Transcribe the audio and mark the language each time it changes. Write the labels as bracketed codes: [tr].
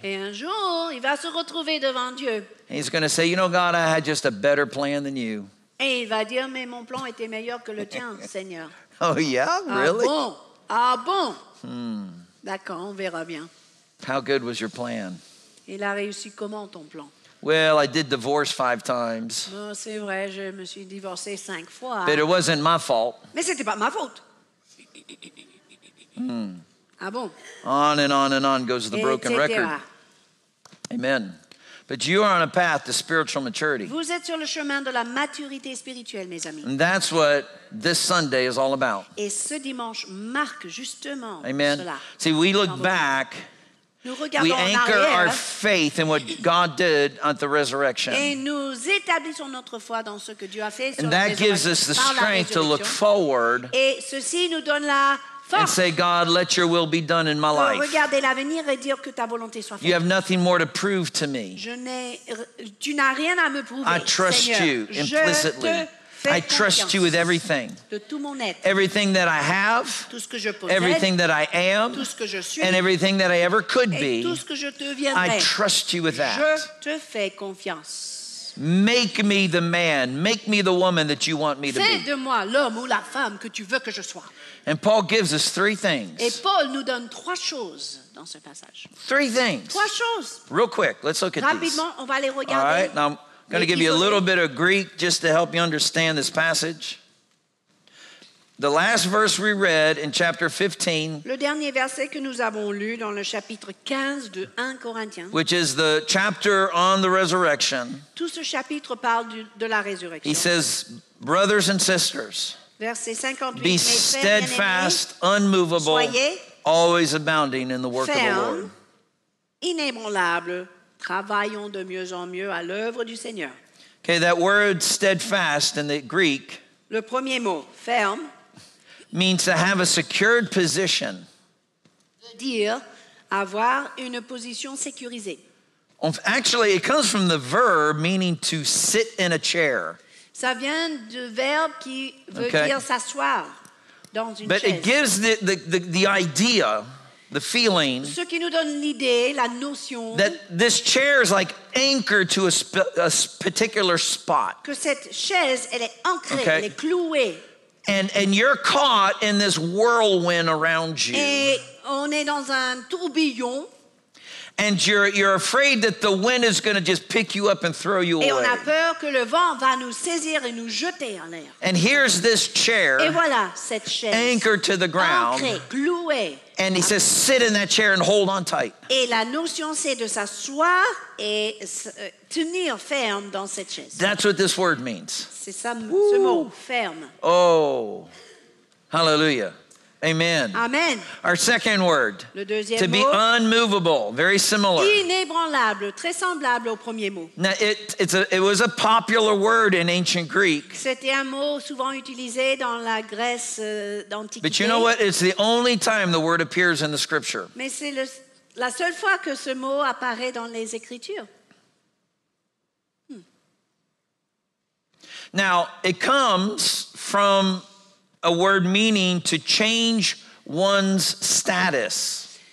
[fr] Et un jour, il va se retrouver devant Dieu. [en] And he's going to say, "You know, God, I had just a better plan than you." [fr] Et il va dire, "Mais mon plan était meilleur que le tien, Seigneur." [en] Oh yeah, really? [fr] Ah bon? D'accord, on verra bien. [en] How good was your plan? [fr] Il a réussi comment ton plan? [en] Well, I did divorce 5 times. [fr] Non, c'est vrai, je me suis divorcé 5 fois. [en] But it wasn't my fault. [fr] Mais c'était pas ma faute. Ah bon? [en] On and on and on goes the broken etc. record. Amen. But you are on a path to spiritual maturity. [fr] Vous êtes sur le chemin de la maturité spirituelle, mes amis. [en] And that's what this Sunday is all about. [fr] Et ce dimanche marque justement Amen. Cela. [en] See, we look back. We anchor our faith in what God did at the resurrection. [fr] Et nous établissons notre foi dans ce que Dieu a fait sur [en] And that gives us the strength to look forward. [fr] Et ceci nous donne la [en] And say, God, let your will be done in my life. [fr] Regarder l'avenir et dire que ta volonté soit faite. [en] You have nothing more to prove to me. [fr] Tu n'as rien à me prouver, [en] I trust [fr] Seigneur. [en] You implicitly. I trust you with everything. [fr] De tout mon être. [en] Everything that I have. [fr] Tout ce que je possède, [en] everything that I am. [fr] Tout ce que je suis, [en] and everything that I ever could [fr] et [en] be. [fr] Tout ce que je deviendrai. [en] I trust you with that. [fr] Je te fais confiance. [en] Make me the man. Make me the woman that you want me to be. [fr] Fais de moi l'homme ou la femme que tu veux que je sois. [en] And Paul gives us 3 things. [fr] Et Paul nous donne 3 choses dans ce passage. [en] 3 things. [fr] 3 choses. [en] Real quick, let's look at [fr] Rapidement, [en] these. [fr] Rapidement, on va les regarder. [en] All right, now, I'm going to give you a little bit of Greek just to help you understand this passage. The last verse we read in chapter 15. [fr] Le dernier verset que nous avons lu dans le chapitre 15 de 1 Corinthiens. [en] Which is the chapter on the resurrection. [fr] Tout ce chapitre parle de la résurrection. [en] He says, brothers and sisters. [fr] Verset 58. [en] Be steadfast, unmovable, always abounding in the work [fr] ferme, [en] of the Lord. [fr] Inébranlable. Travaillons de mieux en mieux à l'œuvre du Seigneur. [en] Okay, that word steadfast in the Greek. [fr] Le premier mot, ferme. [en] Means to have a secured position. [fr] Dire avoir une position sécurisée. [en] Actually, it comes from the verb meaning to sit in a chair. [fr] Ça vient du verbe qui veut okay. dire s'asseoir dans une [en] But [fr] chaise. [en] But it gives the idea. The feeling [fr] Ce qui nous donne l'idée, la notion [en] that this chair is like anchored to a particular spot. [fr] Que cette chaise, elle est ancrée, okay. elle est clouée. [en] And you're caught in this whirlwind around you. [fr] Et on est dans un tourbillon. [en] And you're afraid that the wind is going to just pick you up and throw you [fr] et [en] away. [fr] Et on a peur que le vent va nous saisir et nous jeter en l'air. [en] And here's this chair [fr] et voilà cette chaise [en] anchored to the ground. [fr] Ancrée, clouée. [en] And he says, sit in that chair and hold on tight. [fr] Et la notion, c'est de s'asseoir et tenir ferme dans cette chaise. [en] That's what this word means. [fr] C'est ça, Ooh. Ce mot, ferme. [en] Oh, hallelujah. Amen. Amen. Our second word. [fr] Le deuxième [en] to [fr] mot, [en] be unmovable, very similar. [fr] Inébranlable, très semblable au premier mot. [en] Now, it was a popular word in ancient Greek. C'était un mot souvent utilisé dans la Grèce d'Antiquité. But you know what? It's the only time the word appears in the Scripture. [fr] Mais c'est la seule fois que ce mot apparaît dans les Écritures. [en] Now, it comes from a word meaning to change one's status.